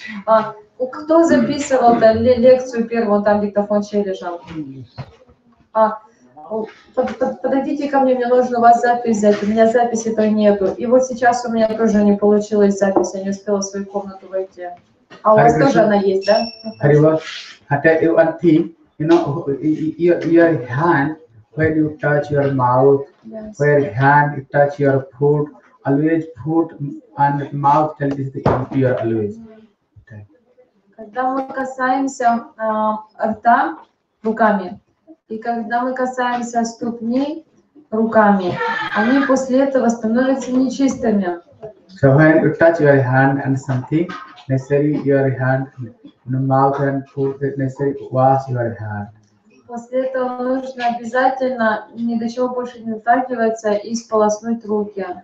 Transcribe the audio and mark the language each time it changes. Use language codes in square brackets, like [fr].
[ru] А кто записывал лекцию первую, там диктофон чей лежал? А, подойдите ко мне, мне нужно у вас запись взять, у меня записи то нету. И вот сейчас у меня тоже не получилась запись, я не успела в свою комнату войти. А у вас тоже она есть, да? [en] Харива, I tell you one thing, you know, your hand, when you touch your mouth, yes, where hand you touch your food, always food and mouth tell this the impure always. [ru] Когда мы касаемся рта руками, и когда мы касаемся ступней руками, они после этого становятся нечистыми. [en] So when you touch your hand and something, necessary your hand, the mouth and food, necessary wash your hand. [ru] После этого нужно обязательно ни до чего больше не дотрагиваться и сполоснуть руки.